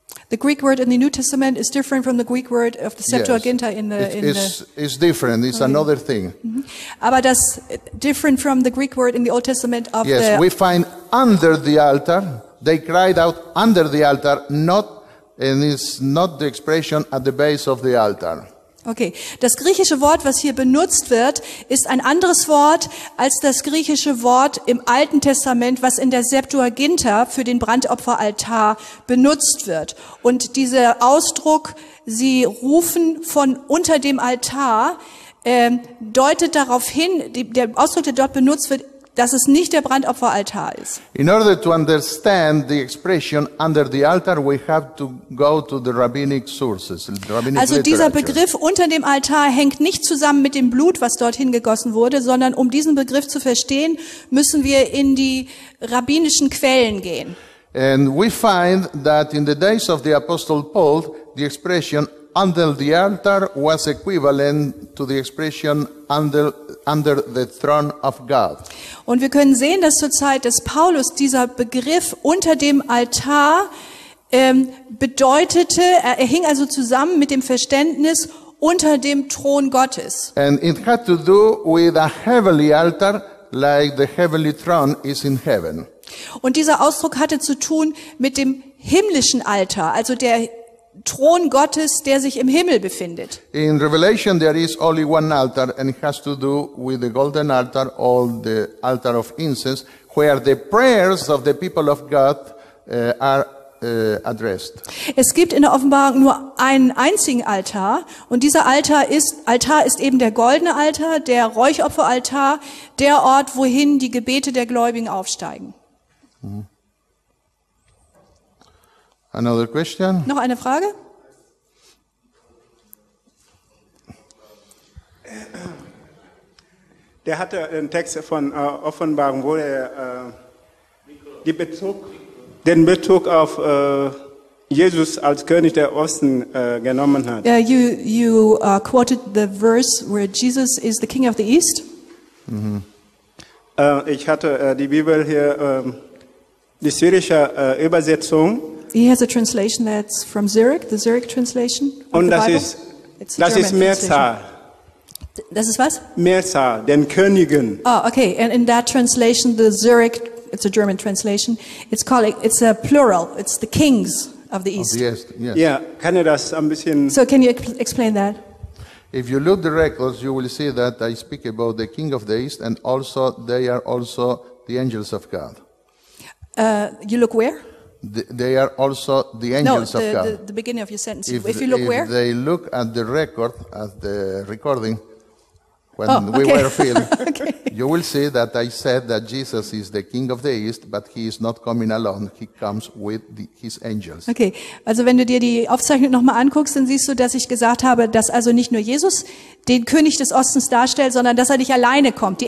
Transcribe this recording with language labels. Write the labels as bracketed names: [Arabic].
[English] The Greek word in the New Testament is different from the Greek word of the Septuaginta. Yes. In the it's different. It's okay. Another thing. Mm-hmm. [German] Aber das [English] different from the Greek word in the Old Testament of yes, the. Yes, we find under the altar. They cried out under the altar, not and it's not the expression at the base of the altar. [German] Okay, das griechische Wort, was hier benutzt wird, ist ein anderes Wort als das griechische Wort im Alten Testament, was in der Septuaginta für den Brandopferaltar benutzt wird. Und dieser Ausdruck, sie rufen von unter dem Altar, deutet darauf hin, der Ausdruck, der dort benutzt wird, dass es nicht der Brandopferaltar ist. [English] In order to understand the expression under the altar, we have to go to the rabbinic sources. Rabbinic [German] also dieser [English] literature. [German] Begriff unter dem Altar hängt nicht zusammen mit dem Blut, was dorthin gegossen wurde, sondern um diesen Begriff zu verstehen, müssen wir in die rabbinischen Quellen gehen. [English] And we find that in the days of the Apostle Paul, the expression under the altar was equivalent to the expression under the throne of God. [German] Und wir können sehen, dass zur Zeit des Paulus dieser Begriff unter dem Altar bedeutete, er hing also zusammen mit dem Verständnis unter dem Thron Gottes. [English] And it had to do with a heavenly altar, like the heavenly throne is in heaven. [German] Und dieser Ausdruck hatte zu tun mit dem himmlischen Altar, also der Thron Gottes, der sich im Himmel befindet. [English] In Revelation there is only one altar and it has to do with the golden altar or the altar of incense, where the prayers of the people of God are addressed. [German] Es gibt in der Offenbarung nur einen einzigen Altar und dieser Altar ist eben der goldene Altar, der Räucheropferaltar, der Ort, wohin die Gebete der Gläubigen aufsteigen. [English] Another question? [German] Noch eine Frage? Der hatte einen Text von Offenbarung, wo er den Bezug auf Jesus als König der Osten genommen hat. [English] Yeah, you quoted the verse where Jesus is the King of the East. Mm-hmm. [German] Ich hatte die Bibel hier, die syrische Übersetzung. [English] He has a translation that's from Zurich, the Zurich translation. [German] Und das ist, Mehrzahl. Das ist was? Mehrzahl, den Königen. [English] Oh, okay. And in that translation, the Zurich, it's a German translation, it's a plural, it's the kings of the East. Yes. [German] Yeah, kann ich das ein bisschen. [English] So can you explain that? If you look the records, you will see that I speak about the king of the East and also they are also the angels of God. You look where? They are also the angels of God. No, the beginning of your sentence. If you look if where? If they look at the record, at the recording, when we were filmed, okay. You will see that I said that Jesus is the King of the East, but he is not coming alone. He comes with his angels. [German] Okay, also wenn du dir die Aufzeichnung nochmal anguckst, dann siehst du, dass ich gesagt habe, dass also nicht nur Jesus den König des Ostens darstellt, sondern dass er nicht alleine kommt.